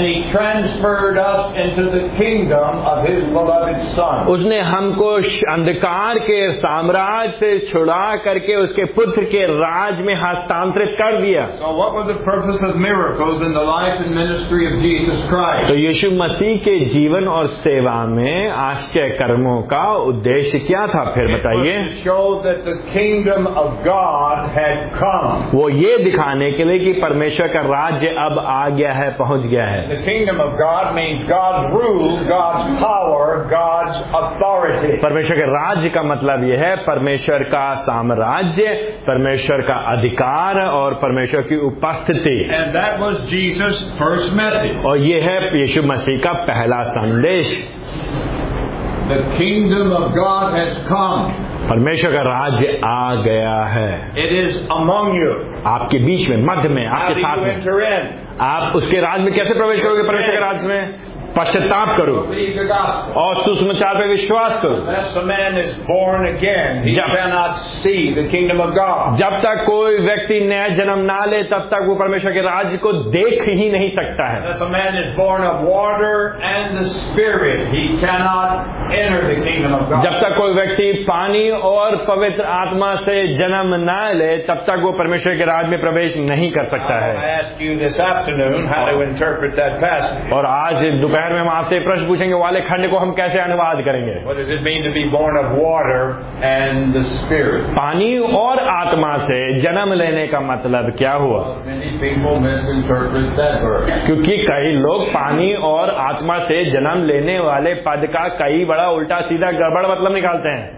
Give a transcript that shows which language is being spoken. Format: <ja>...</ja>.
<en>transferred us into the kingdom of his beloved son.</en> <hi>उसने हमको अंधकार के साम्राज्य से छुड़ा करके उसके पुत्र के राज में हस्तांतरित कर दिया.</hi> <en>So what were the purpose of miracles in the life and ministry of Jesus Christ?</en> <hi>तो यीशु मसीह के जीवन और सेवा में आश्चर्य कर्मों का उद्देश्य क्या था फिर बताइए?</hi> <en>Show that the kingdom of God had come.</en> <hi>वो ये दिखाने के लिए कि परमेश्वर का राज्य अब आ गया है, पहुंच गया है.</hi> <en>The kingdom of God means God's rule, God's power, God's authority.</en> <hi>परमेश्वर के राज्य का मतलब यह है परमेश्वर का साम्राज्य, परमेश्वर का अधिकार और परमेश्वर की उपस्थिति.</hi> <en>And that was Jesus' first message.</en> <hi>और यह है यीशु मसीह का पहला संदेश.</hi> <en>The kingdom of God has come.</en> <hi>परमेश्वर का राज्य आ गया है.</hi> <en>It is among you.</en> <hi>आपके बीच में, मध्य में, आपके साथ में. आप उसके राज में कैसे प्रवेश करोगे? परमेश्वर के राज में पश्चाताप करो और सुसमाचार पे विश्वास करो. जब तक कोई व्यक्ति नया जन्म ना ले तब तक वो परमेश्वर के राज्य को देख ही नहीं सकता है. जब तक कोई व्यक्ति पानी और पवित्र आत्मा से जन्म ना ले तब तक वो परमेश्वर के राज में प्रवेश नहीं कर सकता है. और आज दोपहर में हम आपसे प्रश्न पूछेंगे, वाले खंड को हम कैसे अनुवाद करेंगे?</hi> <en>What does it mean to be born of water and the Spirit?</en> <hi>पानी और आत्मा से जन्म लेने का मतलब क्या हुआ?</hi> <en>Many people misinterpret that verse.</en> <hi>क्योंकि कई लोग पानी और आत्मा से जन्म लेने वाले पद का कई बड़ा उल्टा सीधा गड़बड़ मतलब निकालते हैं.</hi>